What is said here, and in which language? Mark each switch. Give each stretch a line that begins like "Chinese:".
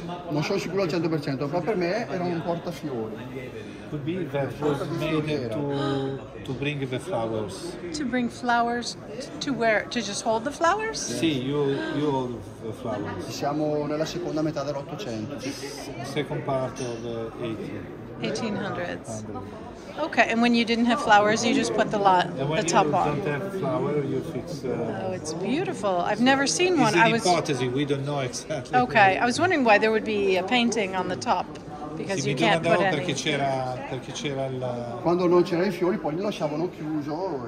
Italian: Non sono sicuro al 100%, ma per me era un portafiori.
English: Could be that was made to bring the flowers. To bring flowers to where? To just hold the flowers? Sì, you hold the flowers.
Italian: Siamo nella seconda metà dell'Ottocento.
English: Second part of the 1800s. Okay, and when you didn't have flowers, you just put the top on. When you don't have flower, you fix. Oh, it's beautiful. I've never seen one. It's an hypothesis. We don't know exactly. Okay, I was wondering why there would be a painting on the top, because you can't put any.
Italian: Perché c'era il. Quando non c'erano i fiori, poi li lasciavano chiuso.